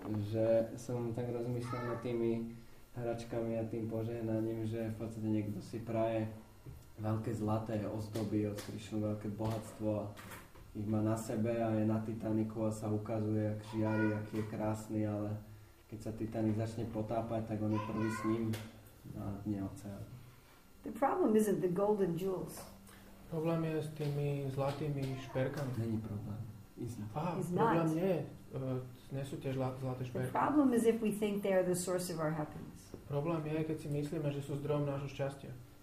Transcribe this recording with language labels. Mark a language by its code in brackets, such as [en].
[sk] Že som tak rozmýšľal nad tými hračkami a tým požehnaním, že v podstate niekto si praje veľké zlaté ozdoby od Krišnu, veľké bohatstvo a ich má na sebe a je na Titaniku a sa ukazuje, jak žiari, aký je krásny, ale keď sa Titanic začne potápať, tak on je prvý s ním na dne oceánu. [en] The problem isn't the golden jewels. [sk] Problém je s tými zlatými šperkami. Není problém. [en] Isn't. Aha, it's [sk] problém [en] not. [sk] Nie je. Nesú tie zlaté šperky. [en] The problem is if we think they are the source of our happiness. [sk] Problém je, keď si myslíme, že sú zdrojom nášho šťastia.